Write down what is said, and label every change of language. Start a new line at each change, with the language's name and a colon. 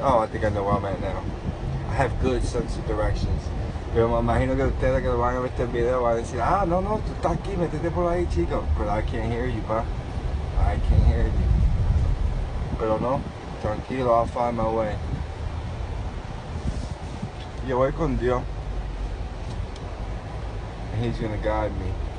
English: Oh, I think I know where I'm at now. I have good sense of directions.
Spanish: Pero me imagino que ustedes que lo van a ver este video van a decir, ah, no, no, tú estás aquí, métete por ahí, chico.
English: But I can't hear you, pa. I can't hear you.
Spanish: Pero no, tranquilo,
English: I'll find my way.
Spanish: Yo voy con Dios.
English: And he's gonna guide me.